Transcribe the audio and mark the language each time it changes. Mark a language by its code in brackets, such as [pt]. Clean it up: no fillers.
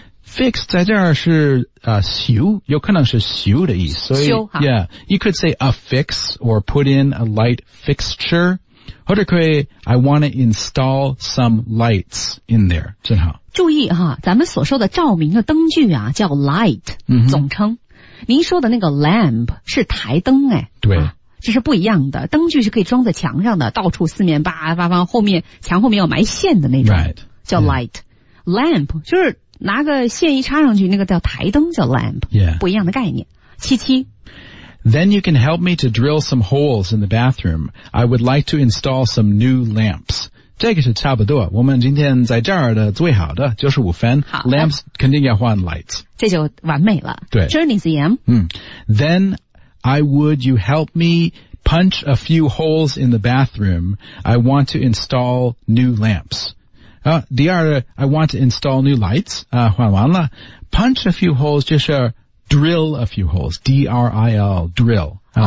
[zh] Fix 在这儿是修，有可能是修的意思。修哈。 [en] Yeah, you could say affix or put in a light fixture. [zh] 或者 [en] 可以 ，I want to install some lights in there. [zh] 真好。注意哈，咱们所说的照明的灯具啊叫 light、嗯、总称，您说的那个 lamp 是台灯。哎，对、啊、这是不一样的。灯具是可以装在墙上的，到处四面八方，后面墙后面要埋线的那种、 [en] right. [zh] 叫 light、 [en] yeah. [zh] lamp 就是拿个线一插上去，那个叫台灯，叫 lamp、 [en] yeah. [zh] 不一样的概念。七七。 [en] Then you can help me to drill some holes in the bathroom. I would like to install some new lamps. [zh] 这个是差不多，我们今天在这儿的最好的就是五分。好，lamps 肯定要换 lights，这就完美了。对 [en] ，journey's the end。嗯 ，then I would you help me punch a few holes in the bathroom? I want to install new lamps。 [zh] 啊，第二个 [en] ，I want to install new lights。啊， [zh] 换完了 [en] ，punch a few holes [zh] 就是 [en] drill a few holes， D-R-I-L， drill。